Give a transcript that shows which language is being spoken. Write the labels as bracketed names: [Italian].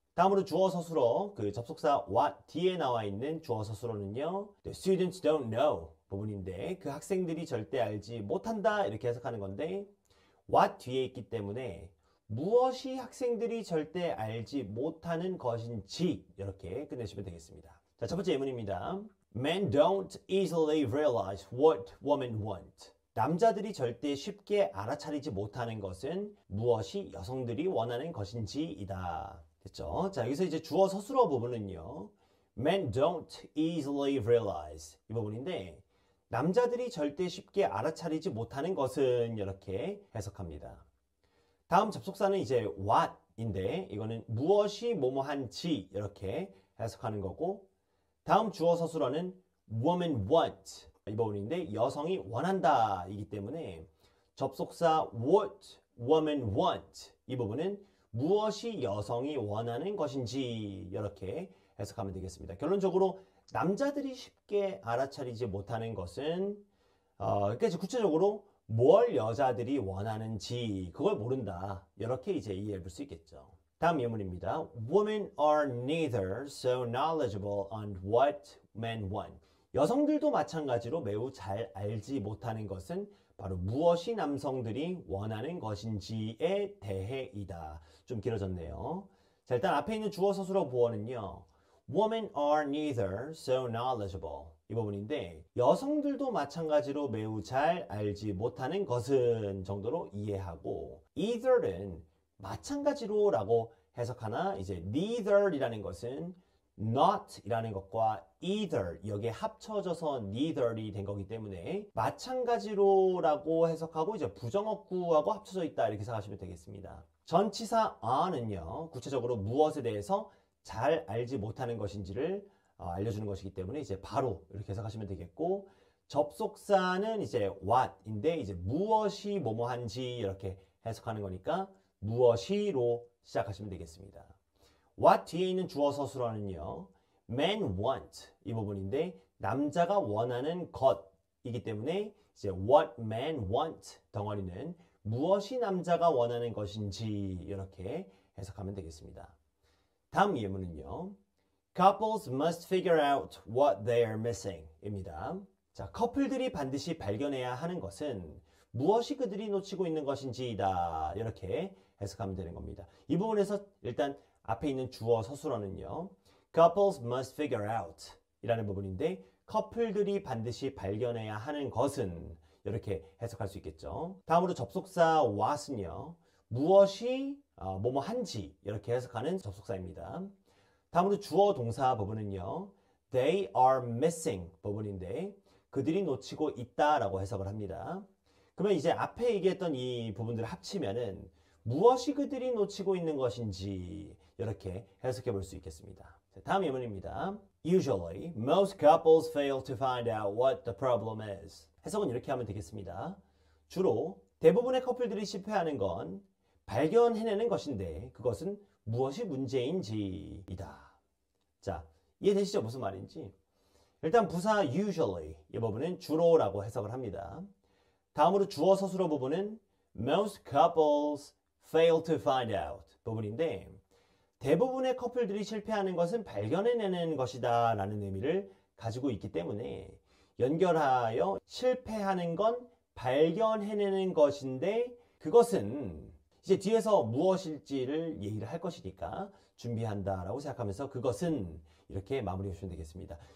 [Korean] 다음으로 주어 서술어, 그 접속사 what 뒤에 나와 있는 주어 서술어는요, [English] The students don't know [Korean] 부분인데, 그 학생들이 절대 알지 못한다, 이렇게 해석하는 건데, what 뒤에 있기 때문에 무엇이 학생들이 절대 알지 못하는 것인지, 이렇게 끝내시면 되겠습니다. 자, 첫 번째 예문입니다. [English] Men don't easily realize what women want. [Korean] 남자들이 절대 쉽게 알아차리지 못하는 것은 무엇이 여성들이 원하는 것인지이다. 됐죠? 자, 여기서 이제 주어 서술어 부분은요. [English] Men don't easily realize [Korean] 이 부분인데, 남자들이 절대 쉽게 알아차리지 못하는 것은 이렇게 해석합니다. 다음 접속사는 이제 what인데, 이거는 무엇이 뭐뭐한지 이렇게 해석하는 거고, 다음 주어 서술어는 [English] woman want. [Korean] 이 부분인데 여성이 원한다이기 때문에 접속사 [English] what woman want [Korean] 이 부분은 무엇이 여성이 원하는 것인지 이렇게 해석하면 되겠습니다. 결론적으로 남자들이 쉽게 알아차리지 못하는 것은 그러니까 구체적으로 뭘 여자들이 원하는지 그걸 모른다 이렇게 이제 이해해 볼수 있겠죠. 다음 예문입니다. [English] Women are neither so knowledgeable on what men want. [Korean] 여성들도 마찬가지로 매우 잘 알지 못하는 것은 바로 무엇이 남성들이 원하는 것인지에 대해이다. 좀 길어졌네요. 자, 일단 앞에 있는 주어 서술어 보어는요. [English] Women are neither so knowledgeable. [Korean] 이 부분인데 여성들도 마찬가지로 매우 잘 알지 못하는 것은 정도로 이해하고 either는 마찬가지로라고 해석하나 이제 neither이라는 것은 not 이라는 것과 either 여기에 합쳐져서 neither이 된 거기 때문에 마찬가지로 라고 해석하고 이제 부정어구하고 합쳐져 있다 이렇게 생각하시면 되겠습니다. 전치사 on은요 구체적으로 무엇에 대해서 잘 알지 못하는 것인지를 알려주는 것이기 때문에 이제 바로 이렇게 해석하시면 되겠고 접속사는 이제 what인데 이제 무엇이 뭐뭐한지 이렇게 해석하는 거니까 무엇이로 시작하시면 되겠습니다. What 뒤에 있는 주어 서술어는요, [English] men want [Korean] 이 부분인데, 남자가 원하는 것이기 때문에, 이제 [English] what men want [Korean] 덩어리는 무엇이 남자가 원하는 것인지, 이렇게 해석하면 되겠습니다. 다음 예문은요, [English] couples must figure out what they are missing [Korean] 입니다. 자, 커플들이 반드시 발견해야 하는 것은 무엇이 그들이 놓치고 있는 것인지이다. 이렇게 해석하면 되는 겁니다. 이 부분에서 일단, 앞에 있는 주어 서술어는요, [English] couples must figure out [Korean] 이라는 부분인데, 커플들이 반드시 발견해야 하는 것은 이렇게 해석할 수 있겠죠. 다음으로 접속사 what은요, 무엇이 뭐뭐한지 이렇게 해석하는 접속사입니다. 다음으로 주어 동사 부분은요, [English] they are missing [Korean] 부분인데, 그들이 놓치고 있다라고 해석을 합니다. 그러면 이제 앞에 얘기했던 이 부분들을 합치면은 무엇이 그들이 놓치고 있는 것인지 이렇게 해석해 볼수 있겠습니다. 다음 예문입니다. [English] Usually, most couples fail to find out what the problem is. [Korean] 해석은 이렇게 하면 되겠습니다. 주로 대부분의 커플들이 실패하는 건 발견해내는 것인데 그것은 무엇이 문제인지이다. 자, 이해되시죠? 무슨 말인지. 일단 부사 usually 이 부분은 주로라고 해석을 합니다. 다음으로 주어 서술어 부분은 [English] most couples fail to find out [Korean] 부분인데 대부분의 커플들이 실패하는 것은 발견해내는 것이다 라는 의미를 가지고 있기 때문에 연결하여 실패하는 건 발견해내는 것인데 그것은 이제 뒤에서 무엇일지를 얘기를 할 것이니까 준비한다 라고 생각하면서 그것은 이렇게 마무리해 주시면 되겠습니다.